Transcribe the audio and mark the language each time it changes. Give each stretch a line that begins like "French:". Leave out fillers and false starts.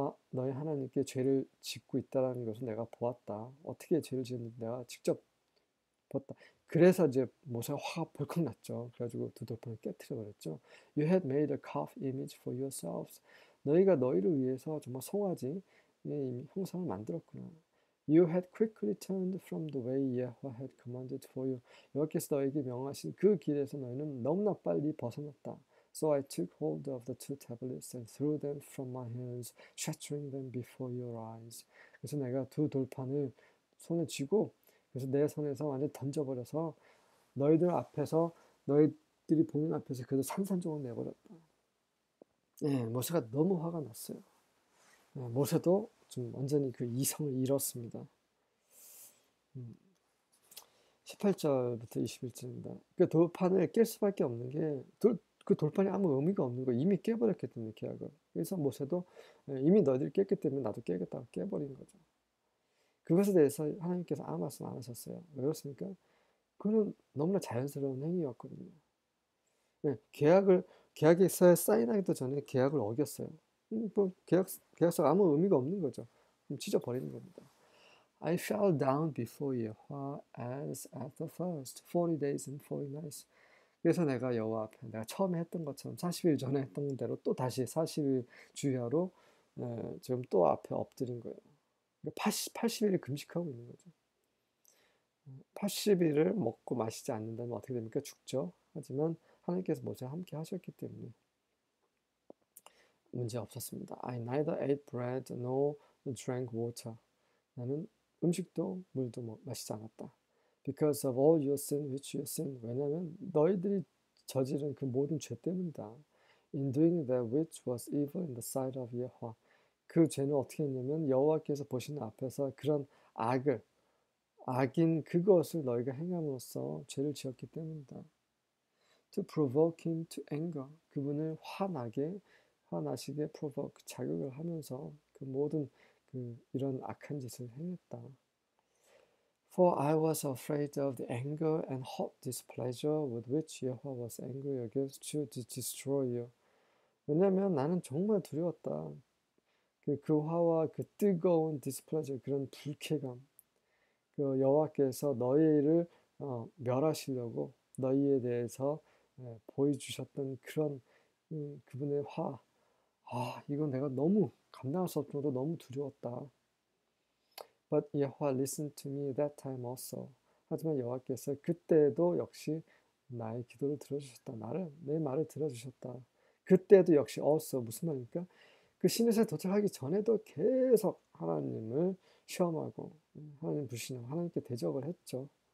Korean: 너희 하나님께 죄를 짓고 있다라는 것을 내가 보았다. 어떻게 죄를 지었는지 내가 직접 보았다. 그래서 이제 모세가 확 벌컥 났죠. 그래가지고 두 돌판을 깨뜨려 버렸죠.
English: You had made a calf image for yourselves.
Korean: 너희가 너희를 위해서 정말 송아지의 형상을 만들었구나.
English: You had quickly turned from the way Yahweh had commanded for you.
Korean: 여호와께서 너에게 명하신 그 길에서 너희는 너무나 빨리 벗어났다.
English: So I took hold of the two tablets and threw them from my hands, shattering them before your eyes.
Korean: 그래서 내가 두 돌판을 손에 쥐고, 그래서 내 손에서 완전히 던져버려서 너희들 앞에서, 너희들이 보는 앞에서 그래도 산산조각 내버렸다. 예, 모세가 너무 화가 났어요. 예, 모세도 좀 완전히 그 이성을 잃었습니다. 18절부터 21절입니다. 그 돌판을 깰 수밖에 없는 게, 그 돌판이 아무 의미가 없는 거, 이미 깨버렸기 때문에 계약을. 그래서 모세도 이미 너희들이 깼기 때문에 나도 깨겠다고 깨버린 거죠. 그것에 대해서 하나님께서 아무 말씀 안 하셨어요. 왜 그렇습니까? 그거는 너무나 자연스러운 행위였거든요. 네, 계약에서 사인하기도 전에 계약을 어겼어요. 뭐 계약서가 아무 의미가 없는 거죠. 그럼 찢어버리는 겁니다.
English: I fell down before Yahweh as at the first, 40 days and 40 nights.
Korean: 그래서 내가 여호와 앞에 내가 처음에 했던 것처럼 40일 전에 했던 대로 또 다시 40일 주야로 지금 또 앞에 엎드린 거예요. 80일을 금식하고 있는 거죠. 80일을 먹고 마시지 않는다면 어떻게 됩니까? 죽죠. 하지만 하나님께서 모세와 함께 하셨기 때문에 문제 없었습니다.
English: I neither ate bread nor drank water.
Korean: 나는 음식도 물도 마시지 않았다.
English: Because of all your sin which you sin.
Korean: 왜냐하면 너희들이 저지른 그 모든 죄 때문이다.
English: In doing that which was evil in the sight of Yahweh.
Korean: 그 죄는 어떻게 했냐면 여호와께서 보시는 앞에서 그런 악인 그것을 너희가 행함으로써 죄를 지었기 때문이다.
English: To provoke him to anger.
Korean: 그분을 화나시게 provoke 자극을 하면서 그 모든 이런 악한 짓을 행했다.
English: For I was afraid of the anger and hot displeasure with which Yahweh was angry against you to destroy you.
Korean: 왜냐하면 나는 정말 두려웠다. 그 화와 그 뜨거운 displeasure 그런 불쾌감. 그 여호와께서 너희를 멸하시려고 너희에 대해서 보여주셨던 그런 그분의 화. 아, 이건 내가 너무 감당할 수 없어도 너무 두려웠다.
English: But Yahweh listened to me that time also.
Korean: 하지만 여호와께서 그때도 역시 나의 기도를 들어주셨다. 내 말을 들어주셨다. 그때도 역시 also 무슨 말입니까? 그 시내산에 도착하기 전에도 계속 하나님을 시험하고 하나님 부르시는 하나님께 대적을 했죠.